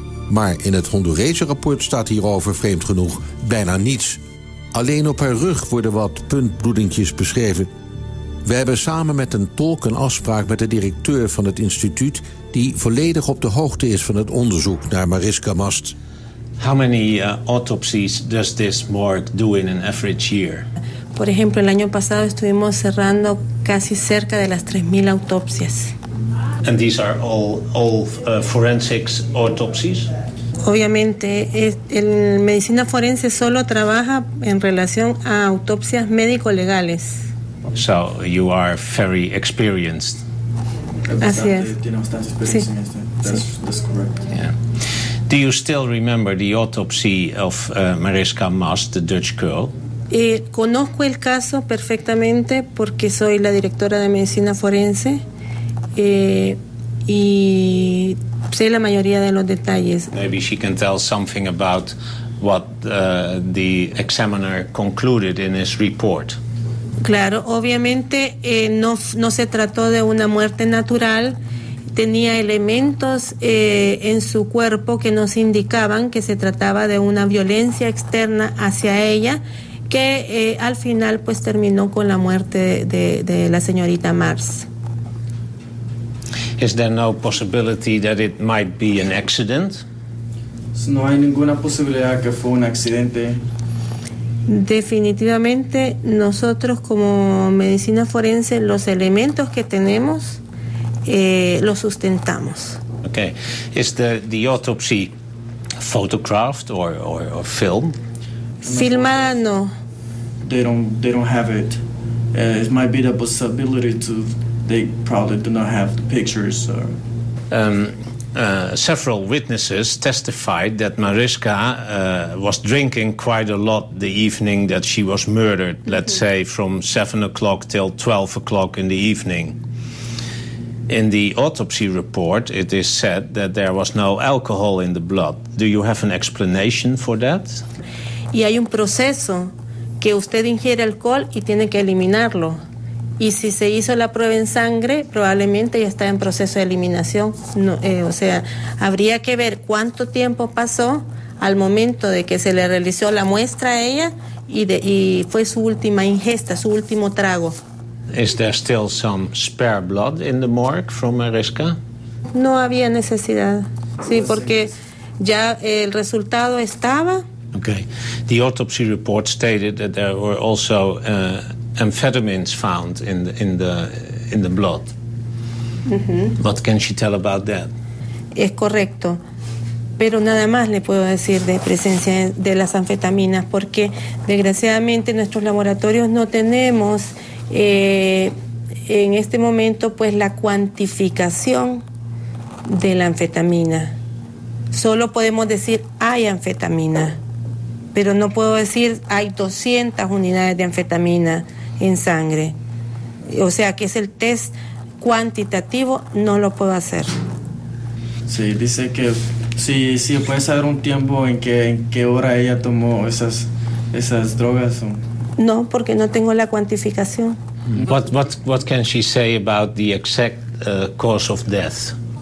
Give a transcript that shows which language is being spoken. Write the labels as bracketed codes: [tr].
[nl] Maar in het Hondurese rapport staat hierover vreemd genoeg bijna niets. Alleen op haar rug worden wat puntbloedingjes beschreven. We hebben samen met een tolk een afspraak met de directeur van het instituut die volledig op de hoogte is van het onderzoek naar Mariska Mast. [en] How many autopsies does this morgue do in an average year? [es] Por ejemplo, el año pasado estuvimos cerrando casi cerca de las 3.000 autopsias. [en] And these are all forensics autopsies? [es] Obviamente, el medicina forense solo trabaja en relación a autopsias médico-legales. [en] So you are very experienced. [es] Así es. Sí. [en] That's correct. Yeah. Do you still remember the autopsy of Mariska Maas, the Dutch girl? [es] Conozco el caso perfectamente porque soy la directora de medicina forense y sé la mayoría de los detalles. [en] Maybe she can tell something about what the examiner concluded in his report. [es] Claro, obviamente no se trató de una muerte natural. Tenía elementos en su cuerpo que nos indicaban que se trataba de una violencia externa hacia ella, que al final pues terminó con la muerte de la señorita Mars. [en] Is there no possibility that it might be an accident? [es] No hay ninguna posibilidad que fue un accidente. Definitivamente, nosotros como medicina forense, los elementos que tenemos lo sustentamos. [en] Okay. Is the autopsy photographed or filmed? [es] Filmada no. [en] They don't have it. It might be the possibility to they probably do not have the pictures. Several witnesses testified that Mariska was drinking quite a lot the evening that she was murdered, mm-hmm. Let's say from 7 o'clock till 12 o'clock in the evening. In the autopsy report, it is said that there was no alcohol in the blood. Do you have an explanation for that? [es] Y hay un proceso que usted ingiere alcohol y tiene que eliminarlo. Y si se hizo la prueba en sangre, probablemente ya está en proceso de eliminación. No, o sea, habría que ver cuánto tiempo pasó al momento de que se le realizó la muestra a ella y fue su última ingesta, su último trago. [en] Is there still some spare blood in the morgue from Mariska? [es] No había necesidad. Sí, porque ya el resultado estaba. [en] Okay. The autopsy report stated that there were also amphetamines found in the blood. Mm-hmm. What can she tell about that? [es] Es correcto. Pero nada más le puedo decir de presencia de las anfetaminas, porque desgraciadamente nuestros laboratorios no tenemos en este momento pues la cuantificación de la anfetamina. Solo podemos decir hay anfetamina, pero no puedo decir hay 200 unidades de anfetamina en sangre. O sea que es el test cuantitativo, no lo puedo hacer. Sí, dice que sí puede saber un tiempo en qué hora ella tomó esas drogas. No, porque no tengo la cuantificación. [en] What can she say about the exact cause of death?